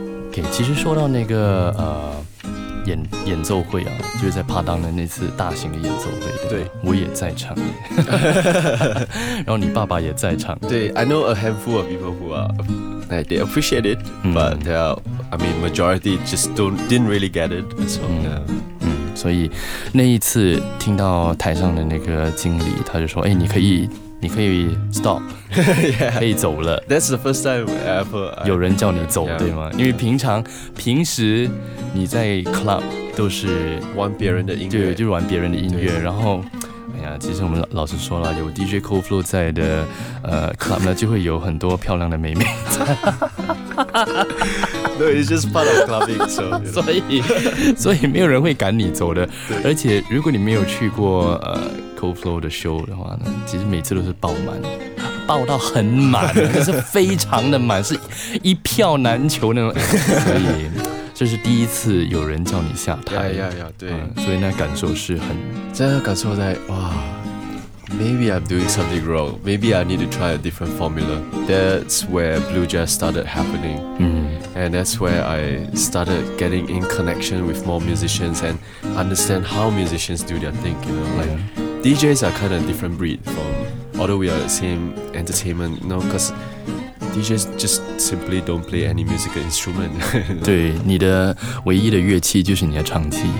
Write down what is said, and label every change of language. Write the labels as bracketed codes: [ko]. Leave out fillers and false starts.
[zh] Okay, 其实说到那个演奏会啊，就是在帕当的那次大型的演奏会，对，我也在场，然后你爸爸也在场， [en] 对 ，I know a handful of people who are like they appreciate it,、嗯、but they are, I mean majority just didn't really get it, so yeah. [zh] 所以那一次听到台上的那个经理，他就说：“哎，你可以 stop， [en] yeah, [zh] 可以走了。” [en] That's the first time ever [zh] 有人叫你走， yeah, 对吗？因为平时你在 club 都是玩别人的音乐，对，就是玩别人的音乐。然后，哎呀，其实我们老实说了，有 DJ Cool Flow 在的club 呢，就会有很多漂亮的妹妹。 [en] No, it's just part of clubbing, so, you know. [zh] 所以没有人会赶你走的。而且如果你没有去过Cold Flow 的 show 的话呢，其实每次都是爆满，爆到很满，可是非常的满，是一票难求那种。所以这是第一次有人叫你下台。 [en] Yeah, yeah, yeah, 对。 [zh] 所以那感受是很，真的感受在哇。 [en] Maybe I'm doing something wrong. Maybe I need to try a different formula. That's where Blue Jazz started happening. Mm-hmm. And that's where I started getting in connection with more musicians and understand how musicians do their thing, you know. Like, DJs are kind of a different breed from, although we are the same entertainment, you know, because DJs just simply don't play any musical instrument. [zh] 对，你的唯一的乐器就是你的唱机。